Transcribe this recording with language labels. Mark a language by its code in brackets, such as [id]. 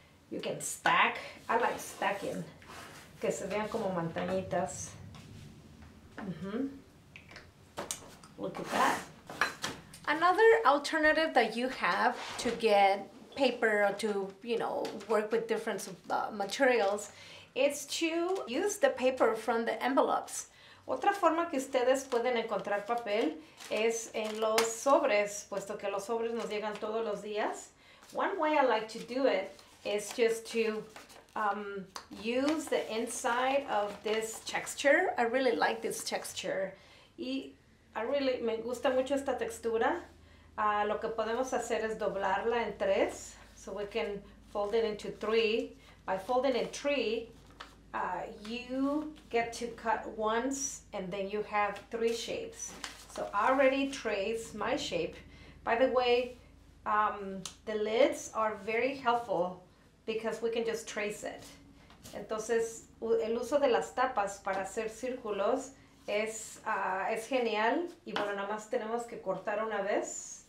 [en] You can stack. I like stacking. [es] Que se vean como montañitas. [en] Mm-hmm. Look at that. Another alternative that you have to get paper or to, you know, work with different materials, it's to use the paper from the envelopes. [es] Otra forma que ustedes pueden encontrar papel es en los sobres, puesto que los sobres nos llegan todos los días. [en] One way I like to do it is just to use the inside of this texture. I really like this texture. [es] Y me gusta mucho esta textura. Lo que podemos hacer es doblarla en tres. [en] So we can fold it into three. By folding in three, you get to cut once and then you have three shapes. So I already traced my shape. By the way, the lids are very helpful because we can just trace it. [es] Entonces, el uso de las tapas para hacer círculos es genial. Y bueno, nada más tenemos que cortar una vez.